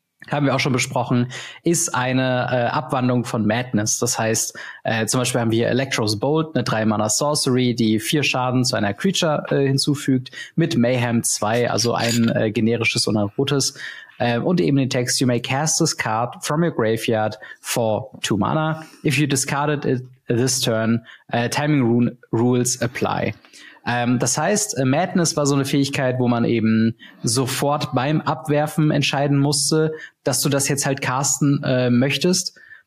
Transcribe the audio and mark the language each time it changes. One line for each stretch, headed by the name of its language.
German: Haben wir auch schon besprochen, ist eine Abwandlung von Madness. Das heißt, zum Beispiel haben wir Electro's Bolt, eine 3-Mana-Sorcery, die 4 Schaden zu einer Creature hinzufügt, mit Mayhem 2, also ein generisches und ein rotes. Und eben den Text,
English: you may cast this card from your graveyard for 2 Mana. If you discard it this turn, timing rules apply.
German: Das heißt, Madness war so eine Fähigkeit, wo man eben sofort beim Abwerfen entscheiden musste, dass du das jetzt halt casten möchtest.